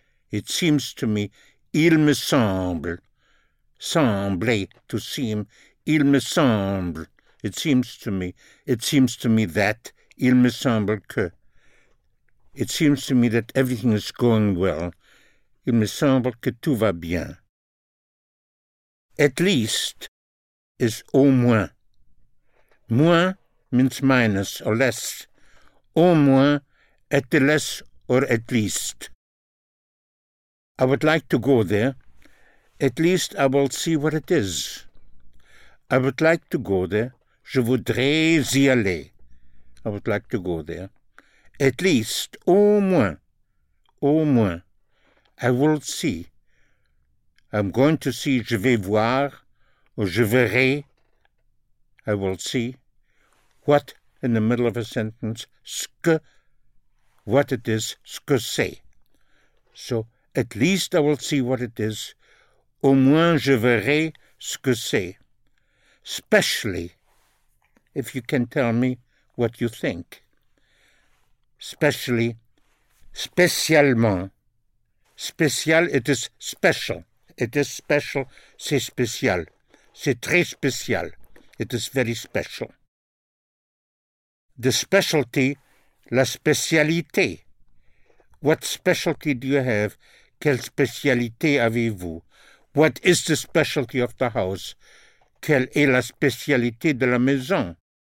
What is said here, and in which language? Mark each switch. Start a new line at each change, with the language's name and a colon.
English: It seems to me.
French: Il me semble.
English: Sembler, to seem.
French: Il me semble.
English: It seems to me. It seems to me that.
French: Il me semble que.
English: It seems to me that everything is going well.
French: Il me semble que tout va bien.
English: At least is
French: au moins.
English: Moins means minus or less.
French: Au moins,
English: at the less or at least. I would like to go there. At least I will see what it is. I would like to go there.
French: Je voudrais y aller.
English: I would like to go there. At least,
French: au moins, au moins.
English: I will see. I'm going to see.
French: Je vais voir. Ou je verrai.
English: I will see. What in the middle of a sentence.
French: Ce que.
English: What it is.
French: Ce que c'est.
English: So, at least I will see what it is.
French: Au moins je verrai ce que c'est.
English: Especially, if you can tell me what you think. Especially, spécialement. Spécial, it is special. It is special,
French: c'est spécial. C'est très spécial.
English: It is very special. The specialty, la spécialité. What specialty do you have?
French: Quelle spécialité avez-vous?
English: What is the specialty of the house?
French: Quelle est la spécialité de la maison?